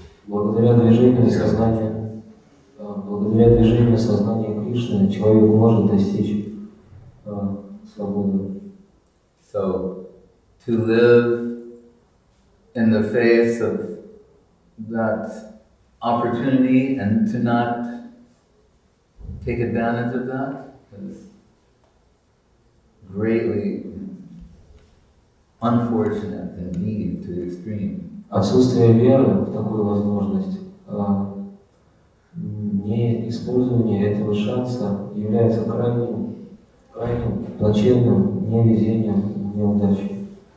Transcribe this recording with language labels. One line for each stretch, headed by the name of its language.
Russian: Благодаря движению сознания, благодаря движению сознания Кришны, человек может достичь свободы.
English: So, to live in the face of that opportunity and to not take advantage of that is greatly unfortunate indeed to the extreme.
Russian: Отсутствие веры в такую возможность, не использование этого шанса является крайним плачевным невезением, неудачей.